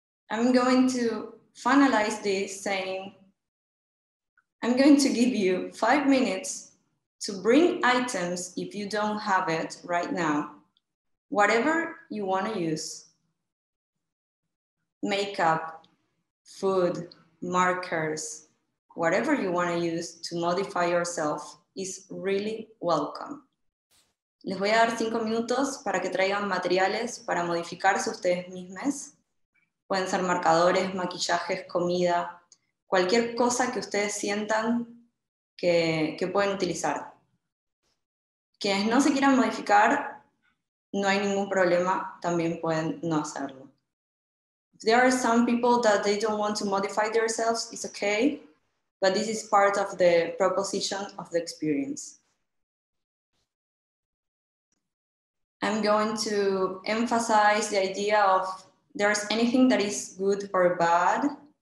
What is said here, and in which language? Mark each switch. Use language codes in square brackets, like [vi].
[en] I'm going to finalize this saying, I'm going to give you 5 minutes to bring items if you don't have it right now, whatever you want to use. Makeup, food, markers, whatever you want to use to modify yourself is really welcome. [es] Les voy a dar 5 minutos para que traigan materiales para modificarse ustedes mismas. Pueden ser marcadores, maquillajes, comida, cualquier cosa que ustedes sientan que pueden utilizar. Quienes no se quieran modificar, no hay ningún problema, también pueden no hacerlo. [en] If there are some people that they don't want to modify themselves, it's okay, but this is part of the proposition of the experience. I'm going to emphasize the idea of there's anything that is good or bad.